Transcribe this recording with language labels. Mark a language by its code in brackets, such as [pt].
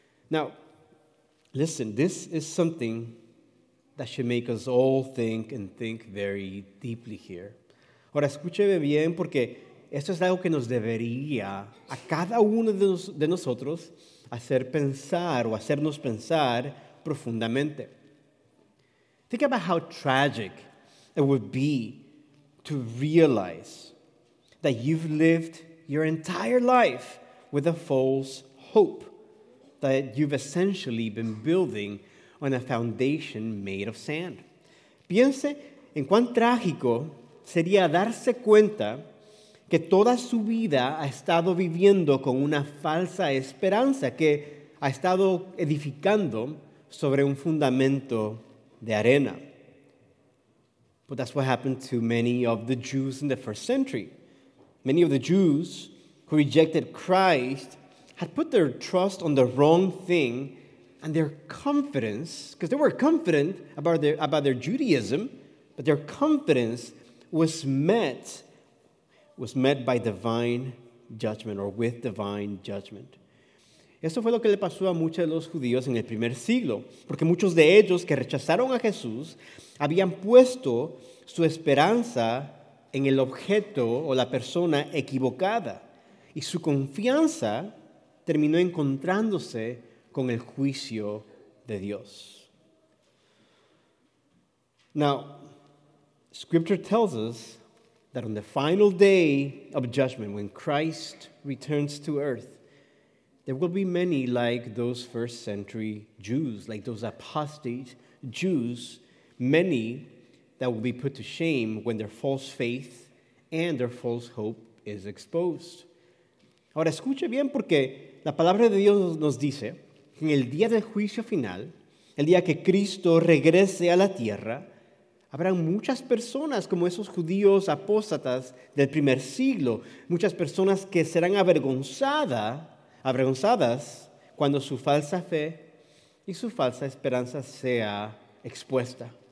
[en] Now, listen, this is something that should make us all think and think very deeply here. [es] Ahora, escúcheme bien, porque esto es algo que nos debería a cada uno de nosotros hacer pensar o hacernos pensar profundamente. [en] Think about how tragic it would be to realize that you've lived your entire life with a false hope that you've essentially been building on a foundation made of sand. [es] Piense en cuán trágico sería darse cuenta que toda su vida ha estado viviendo con una falsa esperanza que ha estado edificando sobre un fundamento de arena. [en] But that's what happened to many of the Jews in the first century. Many of the Jews who rejected Christ had put their trust on the wrong thing, and their confidence, because they were confident about their Judaism, but their confidence was met by divine judgment, or with divine judgment. [es] Esto fue lo que le pasó a muchos de los judíos en el primer siglo, porque muchos de ellos que rechazaron a Jesús habían puesto su esperanza en el objeto o la persona equivocada, y su confianza terminó encontrándose con el juicio de Dios. [en] Now, Scripture tells us that on the final day of judgment, when Christ returns to earth, there will be many like those first century Jews, like those apostate Jews, many that will be put to shame when their false faith and their false hope is exposed. [es] Ahora, escuche bien, porque la palabra de Dios nos dice que en el día del juicio final, el día que Cristo regrese a la tierra, habrán muchas personas como esos judíos apóstatas del primer siglo, muchas personas que serán avergonzadas cuando su falsa fe y su falsa esperanza sea expuesta.